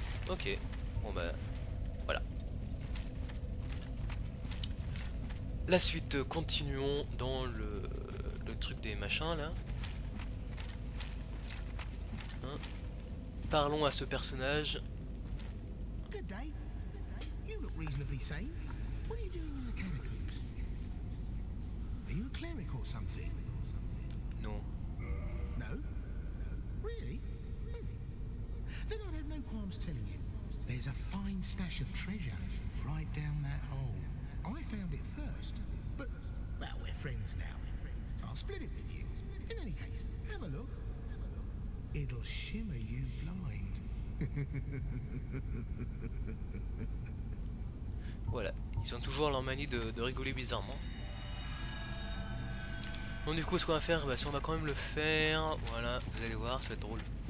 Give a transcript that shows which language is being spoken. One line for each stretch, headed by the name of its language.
French: Ok, bon bah voilà. La suite, continuons dans le truc des machins là. Hein? Parlons à ce personnage.
English: Good day. You look reasonably sane. What are you doing in the catacombs? Are you a cleric or something?
French: Non.
English: No? Really? Then I'd have no qualms telling you. There's a fine stash of treasure right down that hole. I found it first, but well, we're friends now. So I'll split it with you. In any case, have a look. It'll shimmer you blind.
French: Voilà, ils ont toujours leur manie de rigoler bizarrement. Bon, du coup, ce qu'on va faire, bah, si on va quand même le faire, voilà, vous allez voir, ça va être drôle.